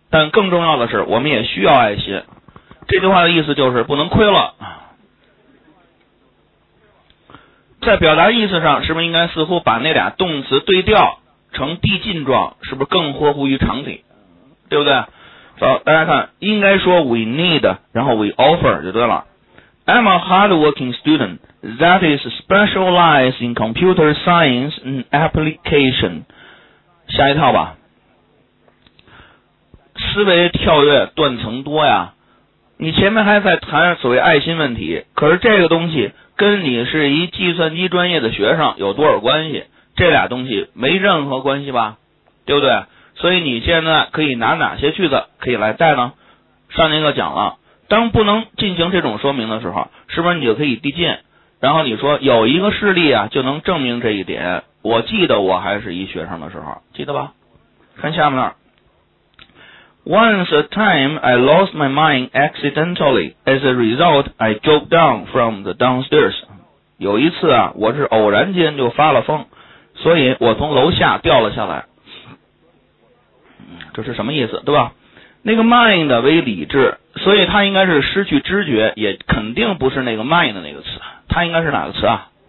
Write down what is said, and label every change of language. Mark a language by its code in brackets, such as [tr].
[zh] 但更重要的是我们也需要爱心，这句话的意思就是不能亏了。在表达意思上是不是应该似乎把那俩动词对调成递进状，是不是更合乎于常理，对不对？好，大家看，应该说 [en] we need [zh] 然后 [en] we offer [zh] 就对了。 [en] I'm a hardworking student that is specialized in computer science and application。 [zh] 下一套吧，思维跳跃断层多呀，你前面还在谈所谓爱心问题，可是这个东西跟你是一计算机专业的学生有多少关系？这俩东西没任何关系吧，对不对？所以你现在可以拿哪些句子可以来带呢？上节课讲了，当不能进行这种说明的时候，是不是你就可以递进，然后你说有一个事例啊就能证明这一点，我记得我还是一学生的时候，记得吧？看下面那儿。 [en] Once a time, I lost my mind accidentally. As a result, I dropped down from the downstairs. [zh] 有一次啊，我是偶然间就发了疯，所以我从楼下掉了下来。这是什么意思，对吧？那个 mind 为理智，所以它应该是失去知觉，也肯定不是那个 mind 的那个词。它应该是哪个词啊？